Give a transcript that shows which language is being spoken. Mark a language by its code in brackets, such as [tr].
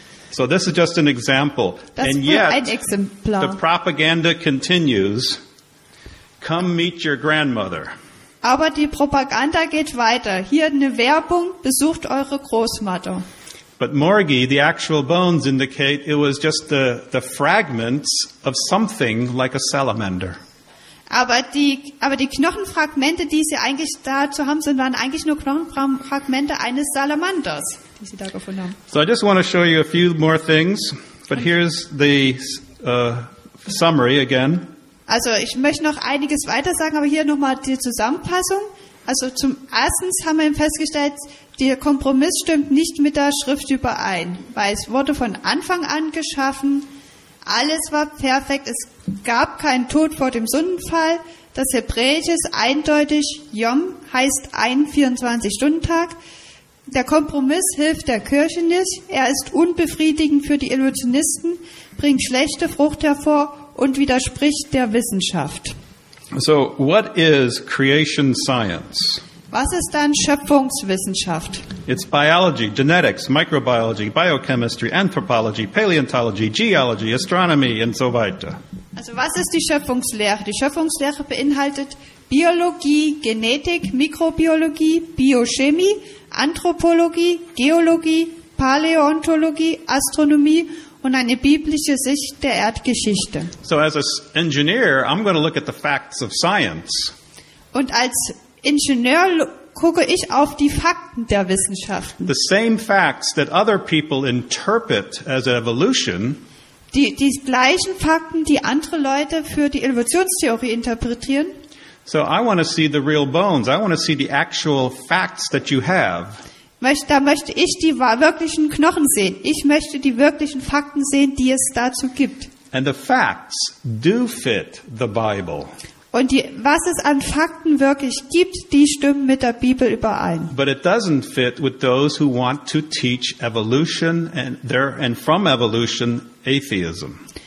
[en] So this is just an example. And yet, [de] ein Exemplar. [en] The propaganda continues. Come meet your grandmother. [de] Aber die Propaganda geht weiter. Hier eine Werbung, besucht eure Großmutter. [en] But Morgi, the actual bones indicate it was just the fragments of something like a salamander. [de] Aber die Knochenfragmente, die sie eigentlich dazu haben, sind waren eigentlich nur Knochenfragmente eines Salamanders, die sie da gefunden haben. [en] So I just want to show you a few more things, but here's the summary again. [de] Also ich möchte noch einiges weiter sagen, aber hier nochmal die Zusammenfassung. Also zum Erstens haben wir festgestellt, der Kompromiss stimmt nicht mit der Schrift überein, weil es wurde von Anfang an geschaffen, alles war perfekt, es gab keinen Tod vor dem Sündenfall, das Hebräische ist eindeutig, Yom heißt ein 24-Stunden-Tag, der Kompromiss hilft der Kirche nicht, er ist unbefriedigend für die Illusionisten, bringt schlechte Frucht hervor und widerspricht der Wissenschaft. [en] So, what is creation science? [de] Was ist dann Schöpfungswissenschaft? [en] It's biology, genetics, microbiology, biochemistry, anthropology, paleontology, geology, astronomy [de] und so weiter. Also, was ist die Schöpfungslehre? Die Schöpfungslehre beinhaltet Biologie, Genetik, Mikrobiologie, Biochemie, Anthropologie, Geologie, Paläontologie, Astronomie und eine biblische Sicht der Erdgeschichte. [en] So as an engineer, I'm going to look at the facts of science. [de] Und als Ingenieur gucke ich auf die Fakten der Wissenschaften. [en] The same facts that other people interpret as evolution. [de] Die gleichen Fakten, die andere Leute für die Evolutionstheorie interpretieren. [en] So I want to see the real bones. I want to see the actual facts that you have. [de] Da möchte ich die wirklichen Knochen sehen. Ich möchte die wirklichen Fakten sehen, die es dazu gibt. [en] And the facts do fit the Bible. [de] Und die, was es an Fakten wirklich gibt, die stimmen mit der Bibel überein. [en] But it doesn't fit with those who want to teach evolution and from evolution atheism.